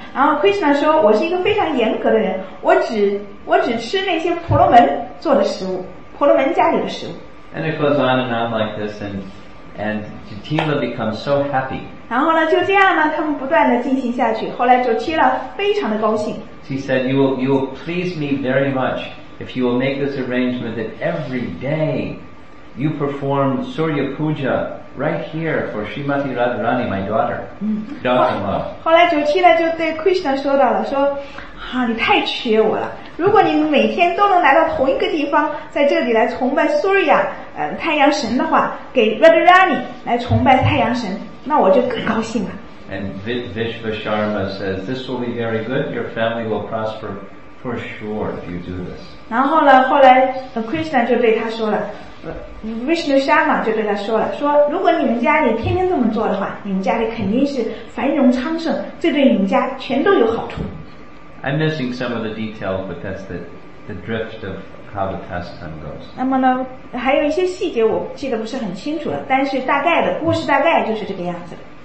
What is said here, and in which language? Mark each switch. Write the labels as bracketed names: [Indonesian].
[Chinese] 然后 Krishna 说，我是一个非常严格的人，我只吃那些婆罗门做的食物，婆罗门家里的食物。 [English] And it goes on and on like this, and Jatila becomes so happy. [Chinese] 然后呢，就这样呢，他们不断的进行下去。后来 Jatila 非常的高兴。 [English] She said, "You will please me very much if you will make this arrangement that every day you perform Surya Puja." Right here for Srimati Radharani, my daughter, daughter-in-law. [Chinese] 后来九七呢就对 Krishna 说到了，说，啊，你太缺我了。如果你每天都能来到同一个地方，在这里来崇拜 Surya， 太阳神的话，给 Radharani 来崇拜太阳神，那我就更高兴了。 [English] And Vishva Sharma says, "This will be very good. Your family will prosper for sure if you do this." [Chinese] 然后呢，后来 Krishna 就对他说了。Vishnu Sharma 就对他说了，说如果你们家里天天这么做的话，你们家里肯定是繁荣昌盛，这对你们家全都有好处。 [English] I'm missing some of the details, but that's the drift of how the pastime goes. [Chinese] 那么呢，还有一些细节我记得不是很清楚了，但是大概的故事大概就是这个样子的。